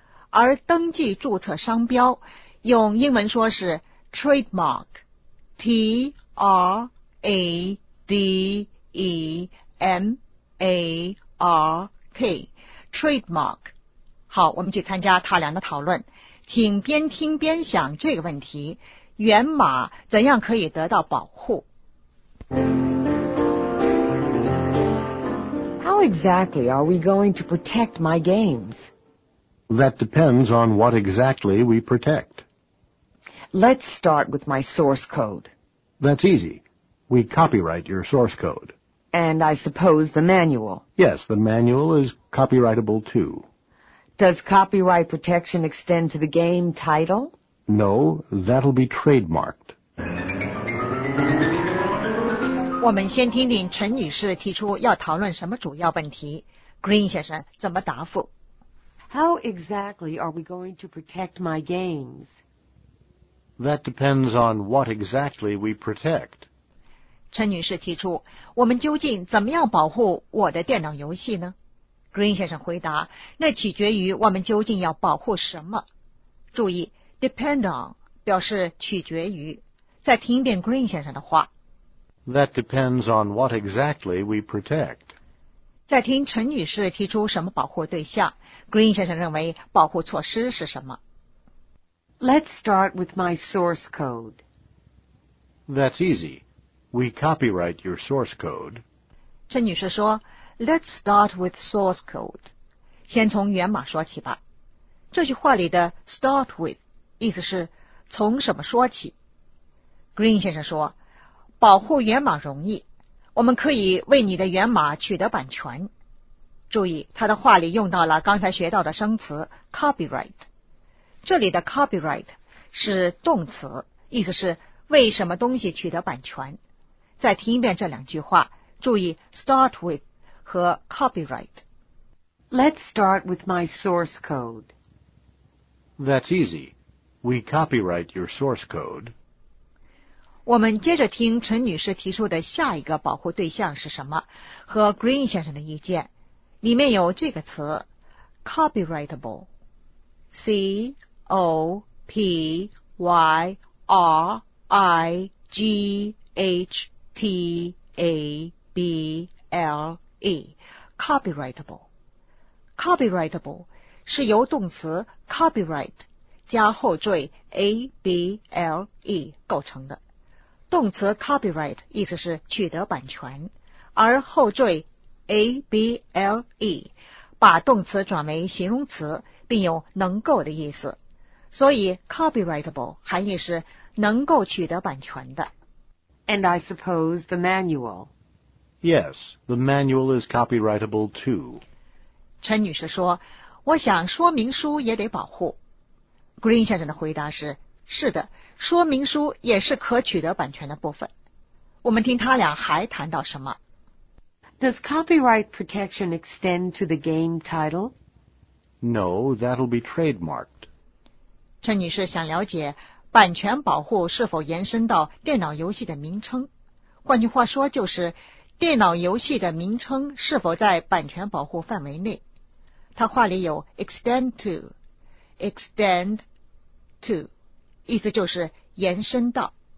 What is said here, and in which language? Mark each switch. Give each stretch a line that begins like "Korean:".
Chinese: 而登记注册商标用英文说是 trademark， T-R-A-D-E-M-A-R-K， trademark。好，我们去参加他俩的讨论，请边听边想这个问题，源码怎样可以得到保护。
English: How exactly are we going to protect my games? That depends on what exactly we protect. Let's start with my source code. That's easy. We copyright your source code. And I suppose the manual. Yes, the manual is copyrightable too. Does copyright protection extend to the game title? No, that'll be trademarked.
Chinese: 我们先听听陈女士提出要讨论什么主要问题， Green 先生怎么答复。
English: How exactly are we going to protect my games? That depends on what exactly we protect.
Chinese: 陈女士提出，我们究竟怎么样保护我的电脑游戏呢？ Green 先生回答，那取决于我们究竟要保护什么。注意 ,depend on 表示取决于。再听一遍 Green 先生的话。
English: That depends on what exactly we protect.
Chinese: 在听陈女士提出什么保护对象， Green 先生认为保护措施是什么？
English: Let's start with my source code. That's easy. We copyright your source code.
Chinese: 陈女士说
English: Let's start with source code.
Chinese: 先从源码说起吧。这句话里的 start with 意思是从什么说起。 Green 先生说，保护源码容易，我们可以为你的源码取得版权。注意，他的话里用到了刚才学到的生词 copyright。这里的 copyright 是动词，意思是为什么东西取得版权。再听一遍这两句话，注意 start with 和 copyright。
English: Let's start with my source code. That's easy. We copyright your source code.
Chinese: 我们接着听陈女士提出的下一个保护对象是什么，和 Green 先生的意见。里面有这个词 copyrightable， C-O-P-Y-R-I-G-H-T-A-B-L-E， copyrightable。 copyrightable 是由动词 copyright 加后缀 A-B-L-E 构成的，动词 copyright 意思是取得版权，而后缀 able 把动词转为形容词，并有能够的意思，所以 copyrightable 含义是能够取得版权的。
English: And I suppose the manual. Yes, the manual is copyrightable too.
Chinese: 陈女士说，我想说明书也得保护。 Green 先生的回答是，是的，说明书也是可取得版权的部分。我们听他俩还谈到什么。
English: Does copyright protection extend to the game title? No, that'll be trademarked.
Chinese: 陈女士想了解版权保护是否延伸到电脑游戏的名称。换句话说就是电脑游戏的名称是否在版权保护范围内。她话里有 extend to, 意思就是延伸到。